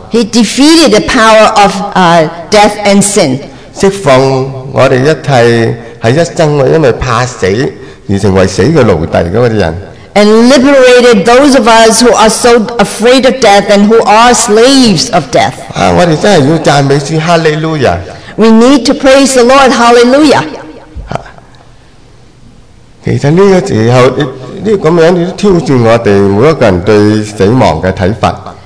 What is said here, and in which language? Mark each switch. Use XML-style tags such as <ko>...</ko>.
<en>He defeated the power of death and sin.</en> <zh>释放我们一切在一生因为怕死而成为死的奴隶的人。</zh> <en>And liberated those of us who are so afraid of death and who are slaves of death.</en> <zh>我们真的要赞美主，哈利路亚。</zh> <en>We need to praise the Lord, hallelujah.</en> <zh>其实这个时候，这样子挑战我们每一个人对死亡的看法。</zh>